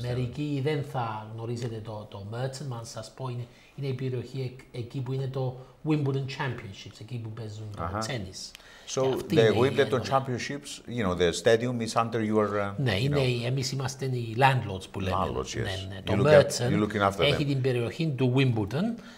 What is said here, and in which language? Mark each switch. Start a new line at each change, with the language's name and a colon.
Greek: Μερικοί δεν θα γνωρίζετε το Merton, αν σας πω, είναι η περιοχή εκεί που είναι το Wimbledon Championships, εκεί που παίζουν τένις.
English: So the Wimbledon Championships, you know, the stadium is under your...
Greek: Ναι, εμείς είμαστε οι landlords που λέμε.
English: Landlords, yes.
Greek: Το Merton έχει την περιοχή του Wimbledon.